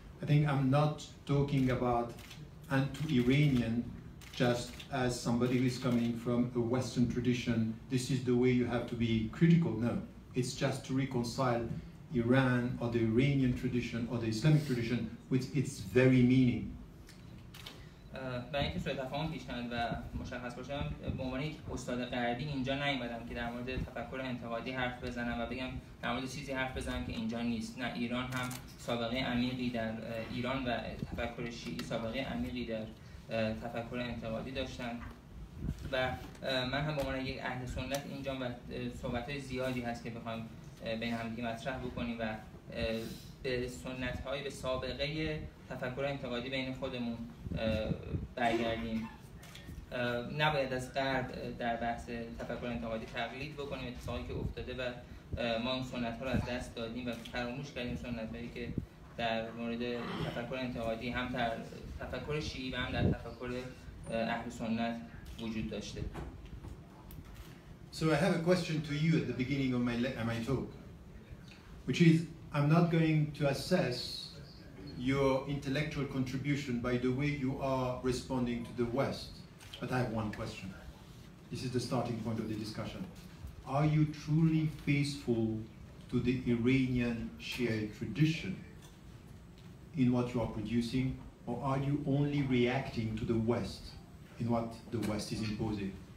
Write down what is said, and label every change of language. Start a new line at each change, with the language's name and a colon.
English: I think I'm not talking about anti-Iranian just as somebody who is coming from a Western tradition. This is the way you have to be critical. No, it's just to reconcile Iran or the Iranian tradition or the Islamic tradition with its very meaning.
Persian: برای اینکه سوء تفاهم پیش نیاد و مشخص باشه، به عنوان یک استاد غربی اینجا نیومدم که در مورد تفکر انتقادی حرف بزنم و بگم در مورد چیزی حرف بزنم که اینجا نیست. نه، ایران هم سابقه عمیقی در ایران و تفکر شیعی سابقه عمیقی در تفکر انتقادی داشتن. و من هم به عنوان یک اهل سنت اینجا و صحبت زیادی هست که بخوام بین هم دیگه مطرح بکنیم و به سنت های به سابقه تفکر انتقادی بین خودمون برگردیم. نباید از غرب در بحث تفکر انتقادی تقلید بکنیم. اتفاقی که افتاده و ما اون سنت ها رو از دست دادیم و فراموش کردیم سنت هایی که در مورد تفکر انتقادی هم در تفکر شیعی و هم در تفکر اهل سنت وجود داشته.
English: So I have a question to you at the beginning of my talk, which is, I'm not going to assess your intellectual contribution by the way you are responding to the West, but I have one question. This is the starting point of the discussion. Are you truly faithful to the Iranian Shia tradition in what you are producing, or are you only reacting to the West in what the West is imposing?